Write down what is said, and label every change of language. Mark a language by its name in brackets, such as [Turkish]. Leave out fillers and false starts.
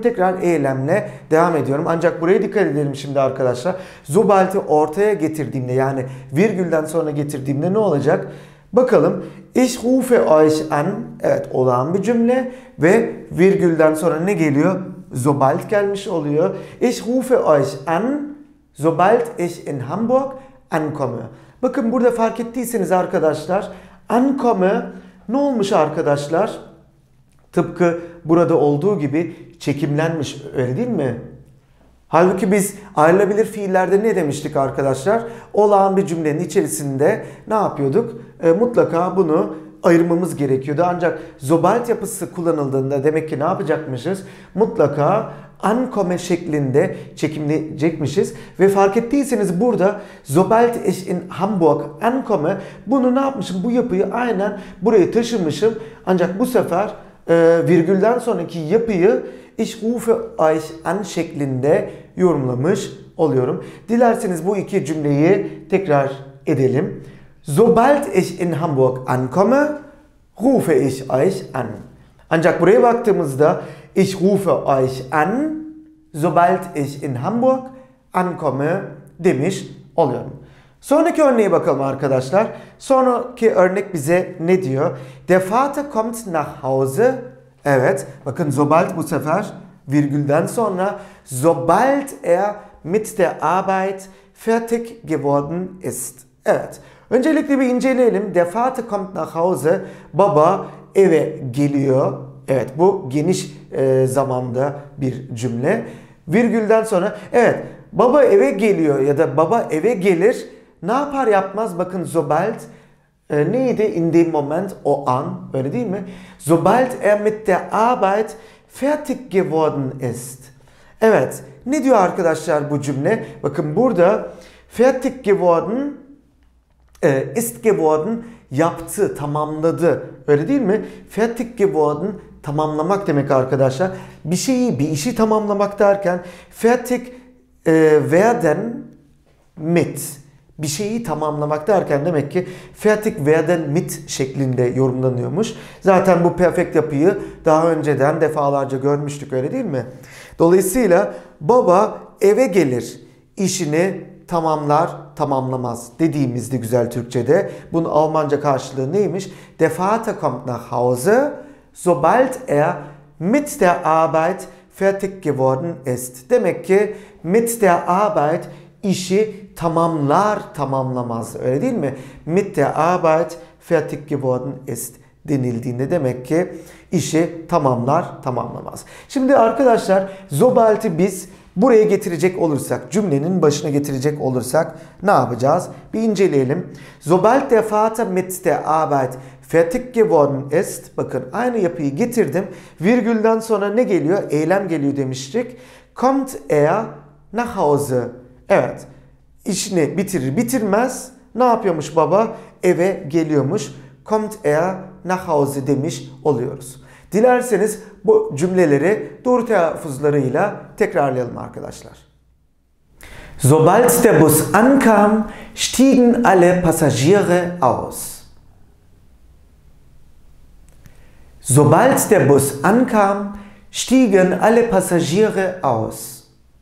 [Turkish] Tekrar eylemle devam ediyorum. Ancak buraya dikkat edelim şimdi arkadaşlar. Sobald'i ortaya getirdiğimde, yani virgülden sonra getirdiğimde ne olacak? Bakalım. [German] Ich rufe euch an. [Turkish] Evet, olağan bir cümle. Ve virgülden sonra ne geliyor? [German] Sobald [Turkish] gelmiş oluyor. [German] Ich rufe euch an. Sobald ich in Hamburg ankomme. [Turkish] Bakın burada fark ettiyseniz arkadaşlar. Ankomme ne olmuş arkadaşlar? Tıpkı burada olduğu gibi çekimlenmiş, öyle değil mi? Halbuki biz ayrılabilir fiillerde ne demiştik arkadaşlar? Olağan bir cümlenin içerisinde ne yapıyorduk? Mutlaka bunu ayırmamız gerekiyordu. Ancak sobald yapısı kullanıldığında demek ki ne yapacakmışız? Mutlaka ankomme şeklinde çekimleyecekmişiz. Ve fark ettiyseniz burada [German] sobald ich in Hamburg ankomme, [Turkish] bunu ne yapmışım? Bu yapıyı aynen buraya taşımışım. Ancak bu sefer virgülden sonraki yapıyı [German] ich rufe euch an [Turkish] şeklinde yorumlamış oluyorum. Dilerseniz bu iki cümleyi tekrar edelim. [German] Sobald ich in Hamburg ankomme, rufe ich euch an. [Turkish] Ancak buraya baktığımızda [German] ich rufe euch an, sobald ich in Hamburg ankomme [Turkish] demiş oluyorum. Sonraki örneğe bakalım arkadaşlar. Sonraki örnek bize ne diyor? [German] Der Vater kommt nach Hause. [Turkish] Evet, bakın sobald bu sefer virgülden sonra, [German] sobald er mit der Arbeit fertig geworden ist. [Turkish] Evet, öncelikle bir inceleyelim. [German] Der Vater kommt nach Hause. [Turkish] Baba eve geliyor. Evet, bu geniş zamanda bir cümle. Virgülden sonra, evet, baba eve geliyor ya da baba eve gelir. Ne yapar yapmaz, bakın sobald neydi? [German] In dem Moment, [Turkish] o an, öyle değil mi? [German] Sobald er mit der Arbeit fertig geworden ist. [Turkish] Evet, ne diyor arkadaşlar bu cümle? Bakın burada [German] fertig geworden, ist geworden, [Turkish] yaptı, tamamladı, öyle değil mi? [German] Fertig geworden, [Turkish] tamamlamak demek arkadaşlar. Bir şeyi, bir işi tamamlamak derken [German] fertig werden mit, [Turkish] bir şeyi tamamlamak derken demek ki fertig werden mit şeklinde yorumlanıyormuş. Zaten bu perfect yapıyı daha önceden defalarca görmüştük, öyle değil mi? Dolayısıyla baba eve gelir, işini tamamlar, tamamlamaz dediğimizde güzel Türkçe'de bunun Almanca karşılığı neymiş? [German] Der Vater kommt nach Hause, sobald er mit der Arbeit fertig geworden ist. [Turkish] Demek ki [German] mit der Arbeit [Turkish] işi tamamlar, tamamlamaz, öyle değil mi? [German] Mit der Arbeit fertig geworden ist [Turkish] denildiğinde demek ki işi tamamlar, tamamlamaz. Şimdi arkadaşlar sobald'i biz buraya getirecek olursak, cümlenin başına getirecek olursak ne yapacağız? Bir inceleyelim. [German] Sobald der Vater mit der Arbeit fertig geworden ist. [Turkish] Bakın aynı yapıyı getirdim. Virgülden sonra ne geliyor? Eylem geliyor demiştik. [German] Kommt er nach Hause. [Turkish] Evet. İşini bitirir bitirmez ne yapıyormuş baba? Eve geliyormuş. [German] Kommt er nach Hause [Turkish] demiş oluyoruz. Dilerseniz bu cümleleri doğru telaffuzlarıyla tekrarlayalım arkadaşlar. [German] Sobald der Bus ankam, stiegen alle Passagiere aus. Sobald der Bus ankam, stiegen alle Passagiere aus.